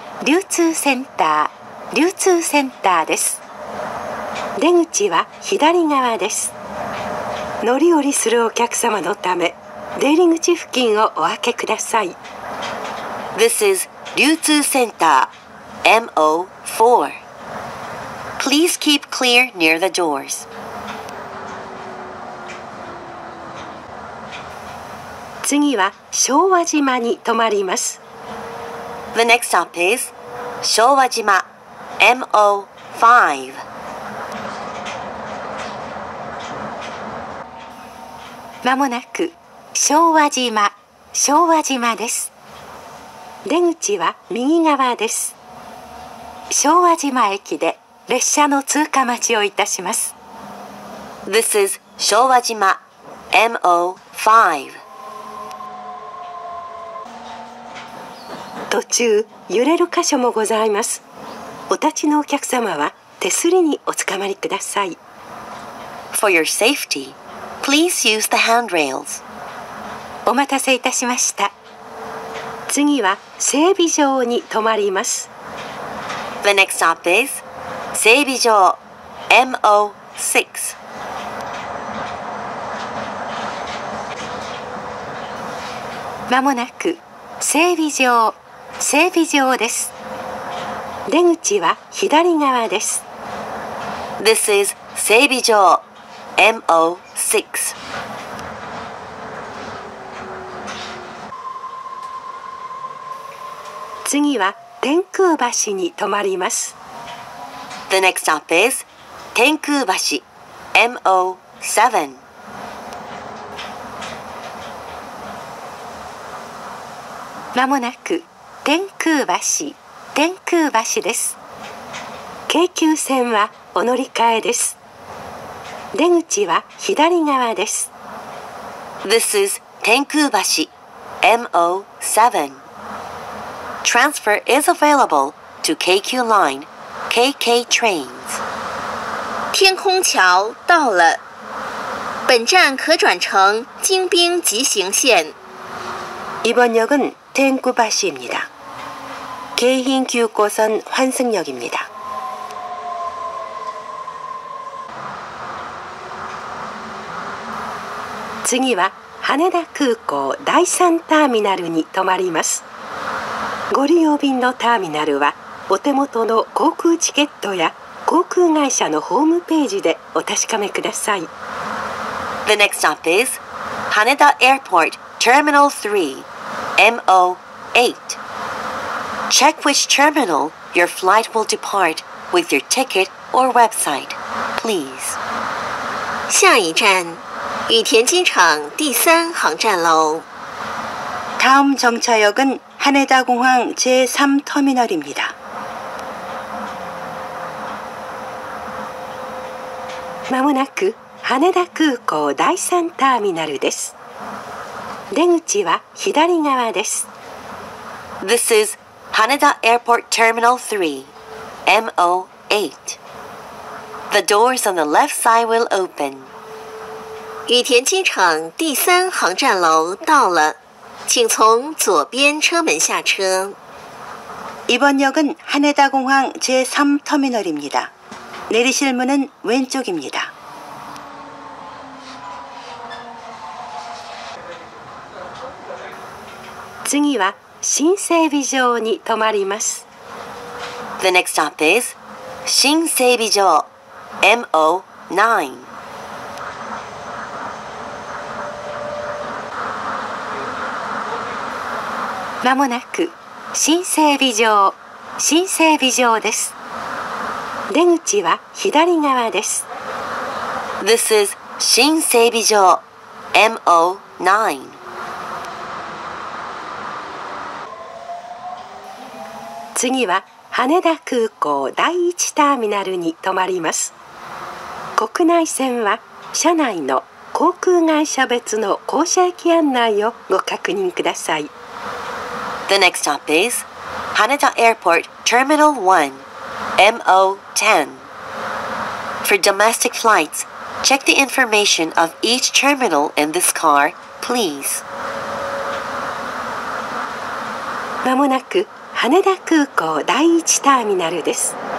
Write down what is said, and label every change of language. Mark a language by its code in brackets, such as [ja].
[ja] 流通センター、流通センターです。出口は左側です。乗り降りするお客様のため、出入り口付近をお開けください。 [en] This is 流通センター、MO4. Please keep clear near the doors. [ja] 次は昭和島に泊まります。 [en] The next stop is 昭和島 MO5。 [ja] まもなく昭和島です。出口は右側です。昭和島駅で列車の通過待ちをいたします。 [en] This is 昭和島 MO5。 [ja] 途中、揺れる箇所もございます。お立ちのお客様は、手すりにおつかまりください。 [en] For your safety, please use the handrails. [ja] お待たせいたしました。次は、整備場に泊まります。 [en] The next stop is 整備場 MO6。 [ja] まもなく、整備場です。出口は左側です。 [en] This is 整備場 MO6。 [ja] 次は天空橋に泊まります。 [en] The next stop is 天空橋 MO7。 [ja] まもなく。天空橋です。京急線はお乗り換えです。出口は左側です。 [en] This is 天空橋 MO7. Transfer is available to KQ Line, KK Trains. [zh] 天空桥到了。本站可转乘京滨急行线。 [ko] 이번역은天空橋입니다。京浜急行線환승역입니다。 [ja] 次は羽田空港第3ターミナルに泊まります。ご利用便のターミナルはお手元の航空チケットや航空会社のホームページでお確かめください。 [en] The next stop is 羽田 Airport Terminal 3 MO8. Check which terminal your flight will depart with your ticket or website, please. [zh] 下一站羽田机场第三航站楼。 [ko] 다음정차역은하네다공항제3터미널입니다。 [ja] まもなく羽田空港第3ターミナルです。出口は左側です。 [en] This is羽田 Airport Terminal 3, MO8. The doors on the left side will open. [zh] 羽田机场第三航站楼到了，请从左边车门下车。 [ko] 이번역은하네다공항제3터미널입니다。 내리실문은왼쪽입니다。 [ja] 次は新整備場に泊まります。 [en] The next stop is 新整備場 MO9。 [ja] まもなく新整備場です。出口は左側です。 [en] This is 新整備場 MO9。 [ja] 次は羽田空港第1ターミナルに泊まります。国内線は車内の航空会社別の降車駅案内をご確認ください。 [en] The next stop is 羽田 Airport Terminal 1, MO10. For domestic flights, check the information of each terminal in this car, please. [ja] まもなく羽田空港第一ターミナルです。